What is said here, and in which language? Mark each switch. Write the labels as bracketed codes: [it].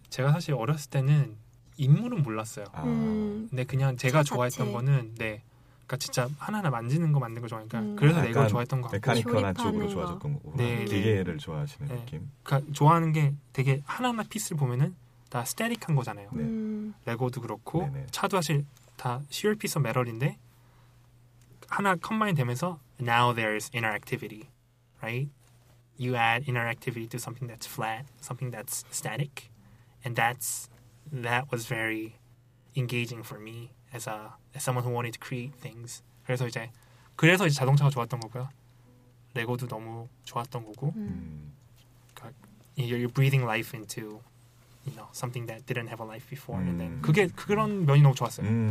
[ko] 제가 사실 어렸을 때는 인물은 몰랐어요. 근데 그냥 제가 좋아했던 거는 네. 그니까 진짜 하나하나 만지는 거 만든 거 좋아하니까 그래서 내가 좋아했던 거 메카니컬한 쪽으로 좋아졌던 거고 네, 기계를 좋아하시는 네. 느낌 그러니까 좋아하는 게 되게 하나하나 피스를 보면은 다 스테틱한 거잖아요 네. 레고도 그렇고 네, 네. 차도 사실 다 [en] sheer piece of metal [ko] 인데 하나 컴바인 되면서 [en] now there's interactivity right you add interactivity to something that's flat something that's static and that's that was very engaging for me as a someone who wanted to create things. [ko] 그래서 이제 자동차가 좋았던 거고요. 레고도 너무 좋았던 거고. 그러니까 [en] you're breathing life into you know something that didn't have a life before. [ko] 근데 그게 그런 면이 너무 좋았어요.